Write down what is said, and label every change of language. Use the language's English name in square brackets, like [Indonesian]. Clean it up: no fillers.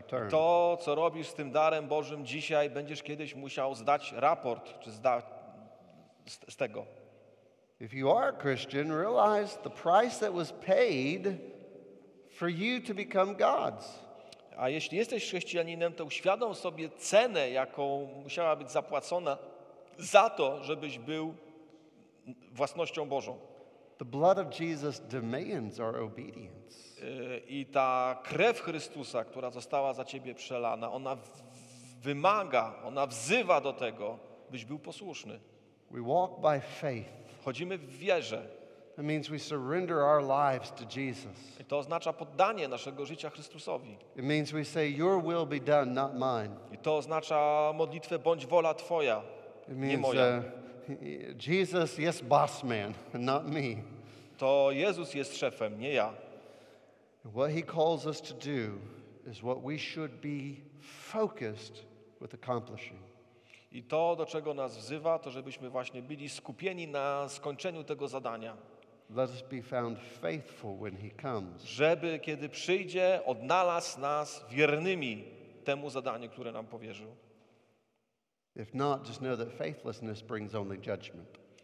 [Polish] To, co robisz z tym darem Bożym dzisiaj, będziesz kiedyś musiał zdać raport czy z tego. [English] If you are a Christian, realize the price that was paid for you to become God's. [Polish] A jeśli jesteś chrześcijaninem, to uświadom sobie cenę, jaką musiała być zapłacona za to, żebyś był własnością Bożą. [English] The blood of Jesus demands our obedience. [Polish] I ta krew Chrystusa, która została za ciebie przelana, ona wymaga, ona wzywa do tego, byś był posłuszny. [English] We walk by faith. [Polish] Chodzimy w wierze. [English] That means we surrender our lives to Jesus. [Polish] I to oznacza poddanie naszego życia Chrystusowi. [English] It means we say, "Your will be done, not mine." [Polish] I to oznacza modlitwę, bądź wola Twoja, nie moja. [English] It means Jesus [Polish] jest [English] boss man, not me. [Polish] To Jezus jest szefem, nie ja. [English] What he calls us to do is what we should be focused with accomplishing. [Polish] I to, do czego nas wzywa, to żebyśmy właśnie byli skupieni na skończeniu tego zadania. [English] Let us be found faithful when he comes. [Polish] Żeby, kiedy przyjdzie, odnalazł nas wiernymi temu zadaniu, które nam powierzył. [English] If not, just know that faithlessness brings only judgment.